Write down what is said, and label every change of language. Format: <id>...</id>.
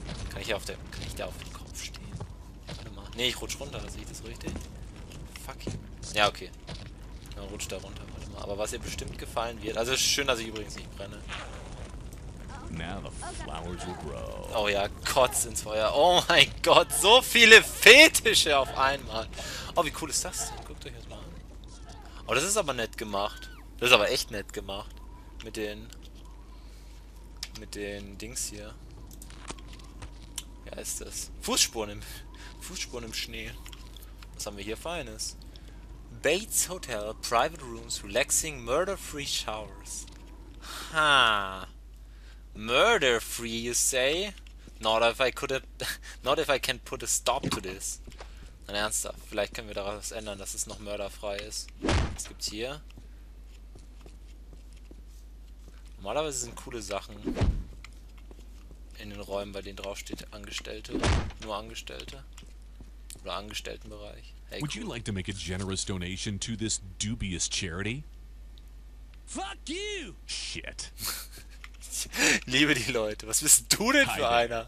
<de>Kann ich da auf dem Kopf stehen? Warte mal. Nee, ich rutsch runter, sehe ich das richtig? Fucking. Ja, okay. Dann rutsch da runter, warte mal. Aber was ihr bestimmt gefallen wird. Also, schön, dass ich übrigens nicht brenne.</de> <en>Now the flowers will grow.</en> <de>Oh ja, Kotz ins Feuer. Oh mein Gott, so viele Fetische auf einmal. Oh, wie cool ist das? Guckt euch das mal an. Oh, das ist aber nett gemacht. Das ist aber echt nett gemacht. Mit den Dings hier. Wie heißt das? Fußspuren im Schnee. Was haben wir hier Feines?</de> <en>Bates Hotel, private rooms, relaxing, murder-free showers. Ha. Murder free, you say? Not if I can put a stop to this.</en> <de>Dann ernsthaft, vielleicht können wir daraus ändern, dass es noch mörderfrei ist. Was gibt's hier? Normalerweise sind coole Sachen in den Räumen, bei denen draufsteht Angestellte, nur Angestellte oder Angestelltenbereich. Hey, cool.</de> <en>Would you like to make a generous donation to this dubious charity? Fuck you! Shit.</en> <de>Liebe die Leute, was bist du denn für einer?</de>